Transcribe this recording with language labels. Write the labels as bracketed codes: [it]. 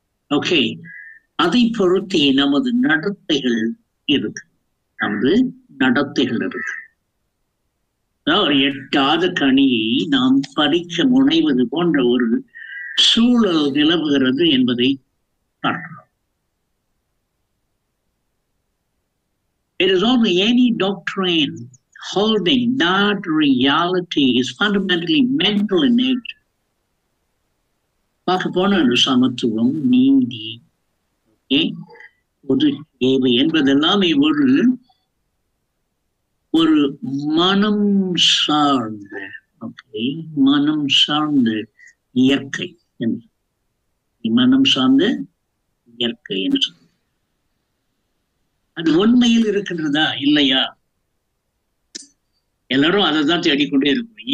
[ta] Okay, அதை பொறுத்தி நமது நடத்தைகள் இருக்கு, நமது நடத்தைகள் இருக்கு. அதாவது எட்டாத கனியை நாம் பறிக்க முனைவது போன்ற ஒரு சூழல் நிலவுகிறது என்பதை பார்க்கிறோம். [en] It is only any doctrine holding that reality is fundamentally mental in nature. [ta] பார்க்க போனது சமத்துவம், நீதி, பொது தேவை என்பதெல்லாமே ஒரு மனம் சார்ந்த ஓகே, மனம் சார்ந்த இயற்கை, மனம் சார்ந்த இயற்கை என்று சொல்ல, அது உண்மையில் இருக்கின்றதா இல்லையா, எல்லாரும் அதை தான் தேடிக்கொண்டே இருக்கும்.